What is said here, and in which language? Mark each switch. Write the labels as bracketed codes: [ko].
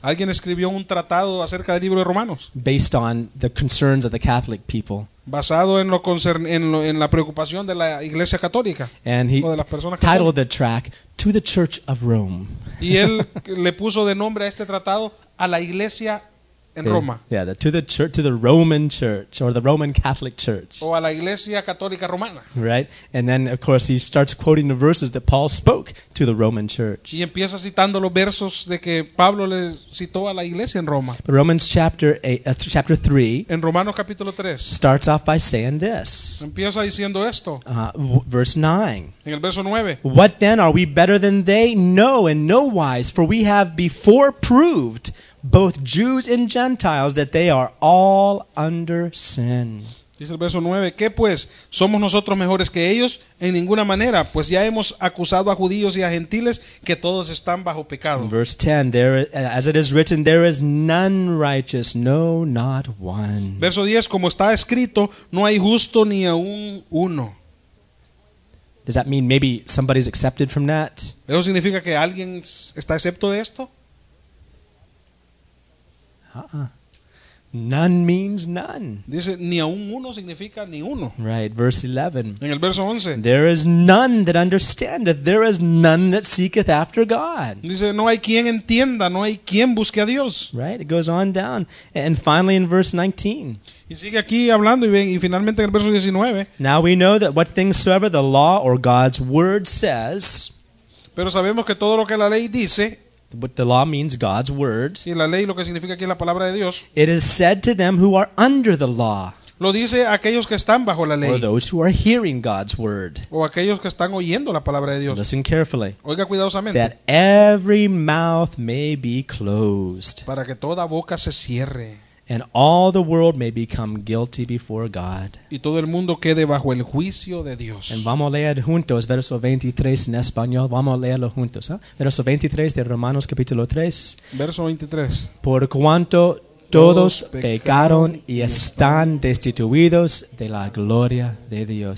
[es] Alguien escribió un tratado acerca del libro de Romanos. [en] Based on the concerns of the Catholic people. [es] Basado en lo en la preocupación de la Iglesia Católica. [en] And he [es] o de las personas católicas. [en] Titled the tract "To the Church of Rome." [es] Y él le puso de nombre a este tratado a la Iglesia en Roma. [en] Yeah, to the Roman Church or the Roman Catholic Church. [es] O a la Iglesia Católica Romana. [en] Right? And then of course he starts quoting the verses that Paul spoke to the Roman Church. [es] Y empieza citando los versos de que Pablo le citó a la iglesia en Roma. [en] But Romans chapter 8, chapter 3. [es] En Romanos capítulo 3. [en] Starts off by saying this. [es] Empieza diciendo esto. [en] Verse 9. [es] En el verso 9. [en] What then, are we better than they? No, in no wise, for we have before proved both Jews and Gentiles that they are all under sin. [es] Dice el verso 9, ¿qué pues? ¿Somos nosotros mejores que ellos? En ninguna manera, pues ya hemos acusado a judíos y a gentiles que todos están bajo pecado. [en] Verse 10, there as it is written, there is none righteous, no, not one. [es] Verso 10, como está escrito, no hay justo ni aún uno. [en] Does that mean maybe somebody's accepted from that? [es] ¿Eso significa que alguien está excepto de esto? [en] None means none. [es] Dice, ni aun uno significa ni uno. [en] Right, verse 11. [es] En el verso 11. [en] There is none that understandeth, there is none that seeketh after God. [es] Dice, no hay quien entienda, no hay quien busque a Dios. [en] Right, it goes on down. And finally in verse 19. [es] Y sigue aquí hablando y finalmente en el verso 19. [en] Now we know that what things soever the law or God's word says. [es] Pero sabemos que todo lo que la ley dice. [en] But the law means God's word. [es] Y la ley lo que significa aquí es la palabra de Dios. [en] It is said to them who are under the law. [es] Lo dice aquellos que están bajo la ley. [en] Or those who are hearing God's word. [es] O aquellos que están oyendo la palabra de Dios. [en] Listen carefully. [es] Oiga cuidadosamente. [en] That every mouth may be closed. [es] Para que toda boca se cierre. [en] And all the world may become guilty before God. [es] Y todo el mundo quede bajo el juicio de Dios. And vamos a leer juntos, verso 23 en español. Vamos a leerlo juntos. ¿Eh? Verso 23 de Romanos capítulo 3. Verso 23. Por cuanto todos pecaron y están destituidos de la gloria de Dios.